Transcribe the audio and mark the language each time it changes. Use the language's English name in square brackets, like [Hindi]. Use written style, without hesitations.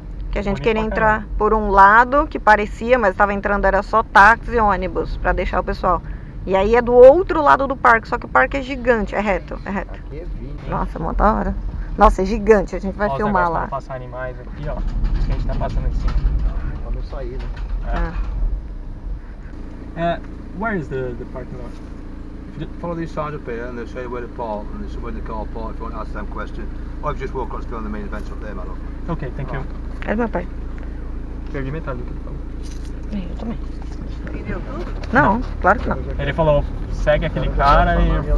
[Portuguese] Que a gente queria entrar por um lado, que parecia, mas estava entrando, era só táxi e ônibus pra deixar o pessoal. E aí é do outro lado do parque, só que o parque é gigante, é reto, é reto. Aqui é 20, hein? Nossa, mó da hora. Nossa, é gigante, a gente vai ó, filmar lá. Ó, passar animais aqui, ó. Que a gente tá passando em cima. Quando eu sair, né? [English] Where is the parking lot? Follow this side up here and they'll show you where to park. And this is where the car park, if you want to ask them questions. Or if you just walk across to the main events up there, my love. Okay, thank you. [Portuguese] É do meu pai. Perdi metade do que ele falou. Eu também. Não, claro que não. Ele falou, segue aquele cara e...